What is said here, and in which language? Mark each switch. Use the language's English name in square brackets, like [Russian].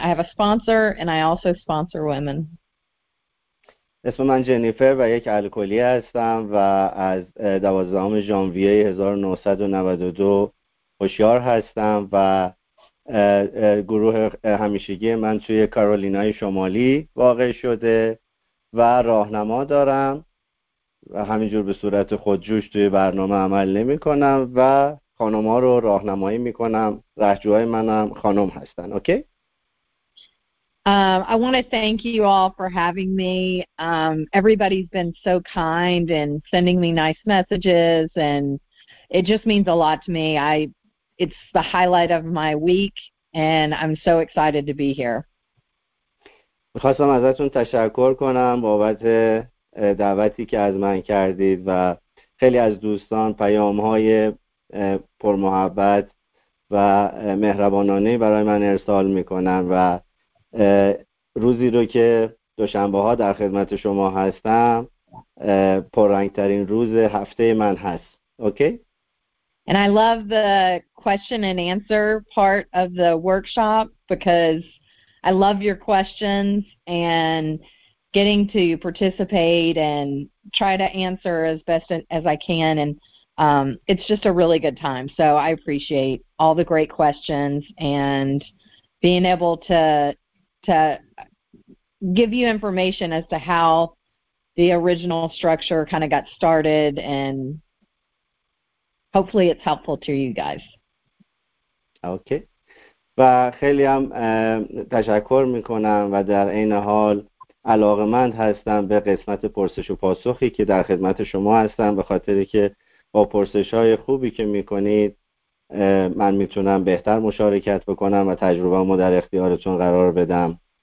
[English] I have a sponsor and I also sponsor women. [Persian] اسم من جنیفر و یک الکلی هستم و از 12 ژانویه 1992 هوشیار هستم و گروه همیشگی من توی کارولینای شمالی واقع شده و راهنما دارم و همینجور به صورت خودجوش توی برنامه عمل نمی کنم و خانم‌ها رو راهنمایی می کنم. رهجوهای منم خانم هستن. اوکی؟ [English] I want to thank you all for having me. Everybody's been so kind and sending me nice messages, and it just means a lot to me. It's the highlight of my week, and I'm so excited to be here. [Persian] می‌خواستم ازتون تشکر کنم بابت دعوتی که از من کردید و خیلی از دوستان پیام‌های پرمحبت و مهربانانه برای من ارسال می‌کنن و روزی رو که دوشنبه ها در خدمت شما هستم پررنگترین روز هفته من هست. [English] Okay? And I love the question and answer part of the workshop because I love your questions and getting to participate and try to answer as best as I can, and it's just a really good time. So I appreciate all the great questions and being able to give you information as to how the original structure kind of got started, and hopefully it's helpful to you guys. Okay. [Persian] و خیلی هم تشکر میکنم و در این حال علاقمند هستم به قسمت پرسش و پاسخی که در خدمت شما هستم، به خاطر که با پرسش‌های خوبی که میکنید من میتونم بهتر مشارکت بکنم و تجربه‌مو در اختیارتون قرار بدم.